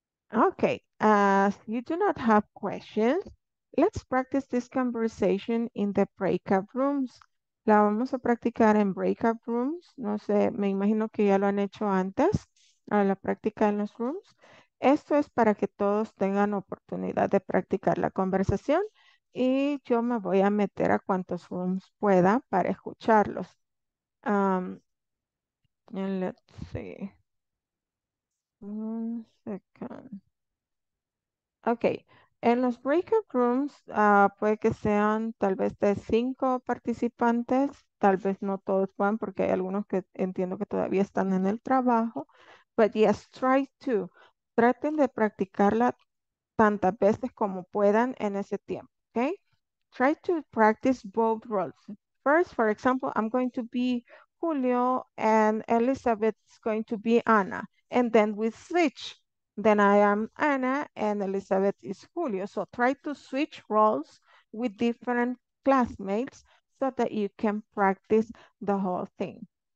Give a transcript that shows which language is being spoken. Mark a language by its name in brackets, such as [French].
[English] Okay, as you do not have questions, let's practice this conversation in the breakout rooms. [Spanish] La vamos a practicar en breakout rooms. No sé, me imagino que ya lo han hecho antes, la práctica en los rooms. Esto es para que todos tengan oportunidad de practicar la conversación. Y yo me voy a meter a cuantos rooms pueda para escucharlos. [English] Let's see. One second. Okay. [Spanish] En los breakout rooms, puede que sean tal vez de 5 participantes. Tal vez no todos puedan porque hay algunos que entiendo que todavía están en el trabajo. [English] But yes, try to. [Spanish] Traten de practicarla tantas veces como puedan en ese tiempo. [English] Okay, try to practice both roles. First, for example, I'm going to be Julio and Elizabeth is going to be Anna. And then we switch. Then I am Anna and Elizabeth is Julio. So try to switch roles with different classmates so that you can practice the whole thing.